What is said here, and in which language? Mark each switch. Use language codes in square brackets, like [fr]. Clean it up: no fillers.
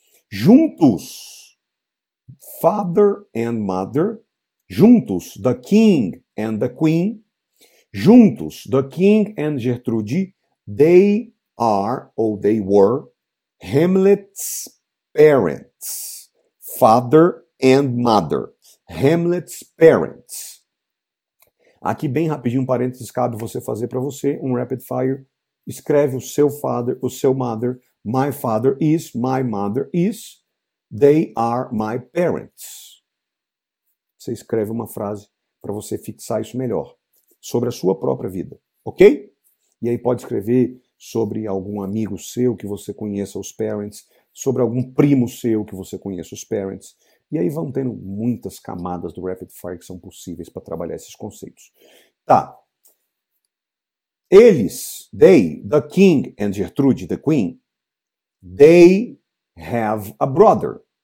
[pt] Juntos, [en] father and mother, juntos, the King and the Queen, juntos, the King and Gertrude, they are, or they were, Hamlet's parents, father and mother, Hamlet's parents. [pt] Aqui, bem rapidinho, um parênteses, cabe você fazer para você, um rapid fire. Escreve o seu father, o seu mother. [en] My father is, my mother is, they are my parents. [pt] Você escreve uma frase para você fixar isso melhor, sobre a sua própria vida, ok? E aí pode escrever sobre algum amigo seu que você conheça os parents, sobre algum primo seu que você conheça os parents. E aí vão tendo muitas camadas do rapid fire que são possíveis para trabalhar esses conceitos. Tá. [en] Eles, they, the King and Gertrude, the Queen, they have a brother.